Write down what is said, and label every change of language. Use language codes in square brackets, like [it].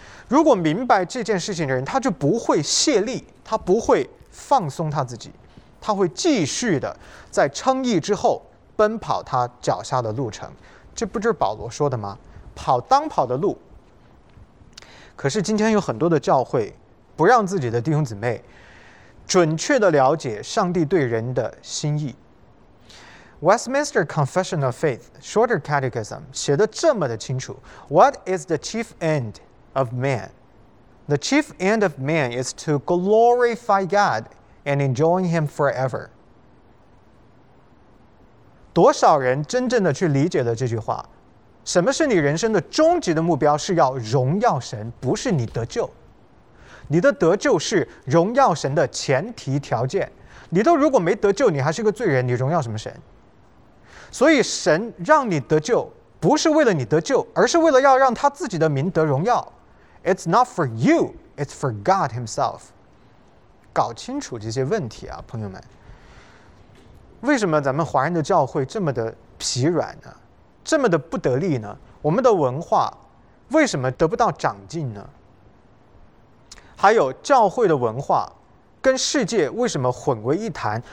[zh] 如果明白这件事情的人，他就不会懈怠，他不会放松他自己，他会继续的在称义之后奔跑他脚下的路程。这不就是保罗说的吗？跑当跑的路。可是今天有很多的教会不让自己的弟兄姊妹准确地了解上帝对人的心意。 [en] Westminster Confession of Faith, Shorter Catechism [zh] 写得这么的清楚： [en] What is the chief end of man? The chief end of man is to glorify God and enjoy Him forever. [zh] 多少人真正的去理解了这句话？什么是你人生的终极的目标？是要荣耀神，不是你得救。你的得救是荣耀神的前提条件。你都如果没得救，你还是个罪人，你荣耀什么神？所以神让你得救，不是为了你得救，而是为了要让他自己的名得荣耀。 [en] It's not for you, it's for God Himself. [zh] 搞清楚这些问题啊，朋友们。为什么咱们华人的教会这么的疲软呢？这么的不得力呢？我们的文化为什么得不到长进呢？还有教会的文化跟世界为什么混为一谈？